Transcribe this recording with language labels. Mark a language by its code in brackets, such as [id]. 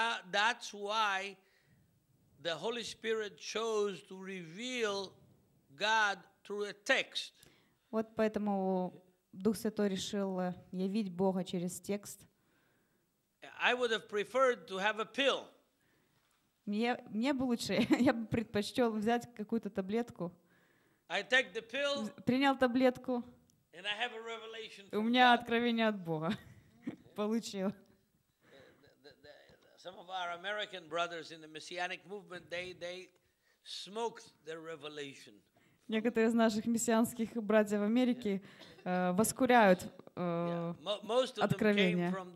[en] That's why the Holy Spirit chose to reveal God through a text. [ru] Вот поэтому Дух Святой решил явить Бога через текст. [en] I would have preferred to have a pill. [ru] Мне бы лучше, я бы предпочел взять какую-то таблетку. [en] I take the pill. [ru] Принял таблетку. [en] And I have a revelation. [ru] У меня откровение от Бога получил. [en] Some of our American brothers in the messianic movement, they smoked their revelation. [ru] Некоторые из наших мессианских братьев в Америке воскуряют откровения.